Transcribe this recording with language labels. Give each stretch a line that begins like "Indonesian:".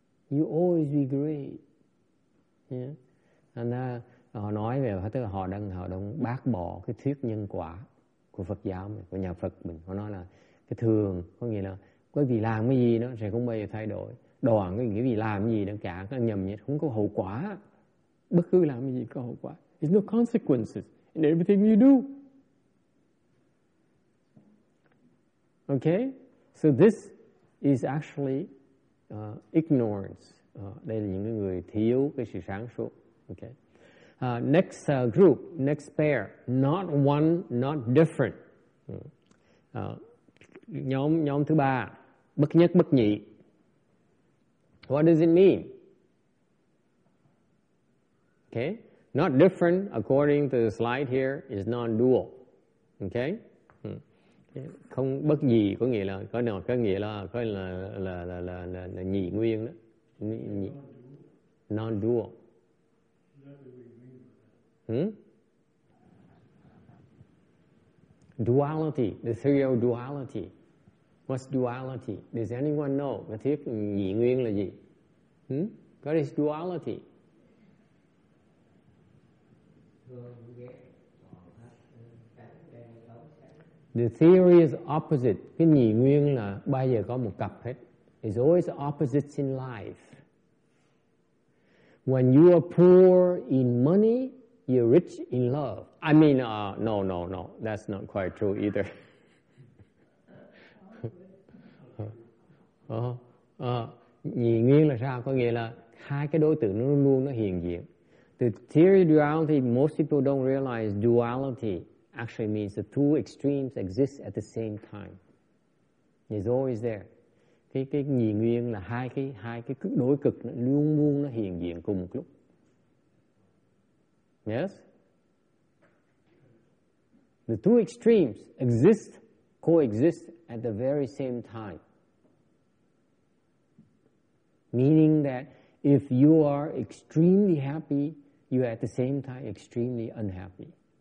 English: You always be great. Yeah.
Vietnamese: And họ nói về, tức là họ đang bác bỏ cái thuyết nhân quả của Phật giáo mình, của nhà Phật mình. Họ nói là cái thường có nghĩa là quý vị làm cái gì nó sẽ không bao giờ thay đổi. Đoạn cái nghĩa vì làm cái gì nó cả nó nhầm nhất, không có hậu quả. Bất cứ làm cái gì có hậu quả.
English: There's no consequences in everything you do. Okay? So this is actually ignorance.
Vietnamese: Đây là những người thiếu cái sự sáng suốt.
English: Okay? Next group, next pair. Not one, not different.
Vietnamese: Nhóm thứ ba. Bất nhất, bất nhị.
English: What does it mean? Okay? Not different, according to the slide here, is non-dual. Okay?
Vietnamese: Không bất nhị có nghĩa là có nghĩa là nhị nguyên đó, nhị
English: non dual. Duality, the theory of duality. What's duality? Does anyone know
Vietnamese: cái thuyết nhị nguyên là gì?
English: What is duality? The theory is opposite.
Vietnamese: Cái nhị nguyên là bao giờ có một cặp hết.
English: It's always opposites in life. When you are poor in money, you're rich in love. I mean, no. That's not quite true either.
Vietnamese: Nhị nguyên là sao? Có nghĩa là hai cái đối tượng nó luôn luôn nó hiện diện.
English: The theory of duality, most people don't realize duality actually means the two extremes exist at the same time. It's always there.
Vietnamese: Cái nhị nguyên là hai cái cực đối cực nó luôn luôn nó hiện diện cùng một lúc.
English: Yes? The two extremes exist, coexist at the very same time. Meaning that if you are extremely happy, you are at the same time extremely unhappy.